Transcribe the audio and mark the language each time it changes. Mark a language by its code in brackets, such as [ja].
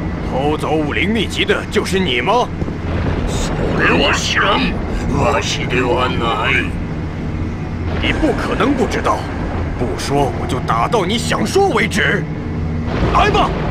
[zh] 偷走武林秘籍的就是你吗 [ja] それは知らんわしではない [zh] 你不可能不知道不说我就打到你想说为止来吧